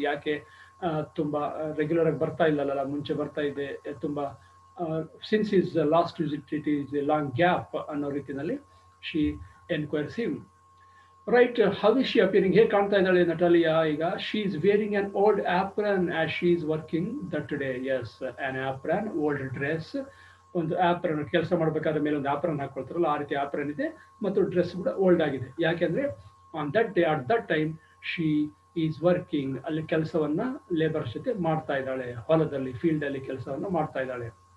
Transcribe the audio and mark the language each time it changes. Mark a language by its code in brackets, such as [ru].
[kn] ಯಾಕೆ ತುಂಬ ರೆಗ್ಯುಲರ್ ಆಗಿ ಬರ್ತಾ ಇಲ್ಲಲ್ಲ, ಮುಂಚೆ ಬರ್ತಾ ಇದೆ ತುಂಬ, [en] since is last visit it is a long gap [kn] ಅನ್ನೋ ರೀತಿಯಲ್ಲಿ [en] she enquires him. Right, how is she appearing? Hey, [kn] kanta idale Natalia iga. [en] She is wearing an old apron as she is working that day. Yes, an apron, old dress. [kn] ಒಂದು ಆಪ್ರನ್ ಕೆಲಸ ಮಾಡಬೇಕಾದ ಮೇಲೆ ಒಂದು ಆಪ್ರನ್ ಹಾಕೊಳ್ತಾರಲ್ಲ ಆ ರೀತಿ ಆಪ್ರನ್ ಇದೆ ಮತ್ತು ಡ್ರೆಸ್ ಕೂಡ ಓಲ್ಡ್ ಆಗಿದೆ. ಯಾಕೆಂದ್ರೆ [en] on that day at that time she is working, [kn] ಅಲ್ಲಿ ಕೆಲಸವನ್ನ ಲೇಬರ್ ಜೊತೆ ಮಾಡ್ತಾ ಇದ್ದಾಳೆ, ಹೊಲದಲ್ಲಿ ಫೀಲ್ಡ್ ಅಲ್ಲಿ ಕೆಲಸವನ್ನು ಮಾಡ್ತಾ ಇದ್ದಾಳೆ.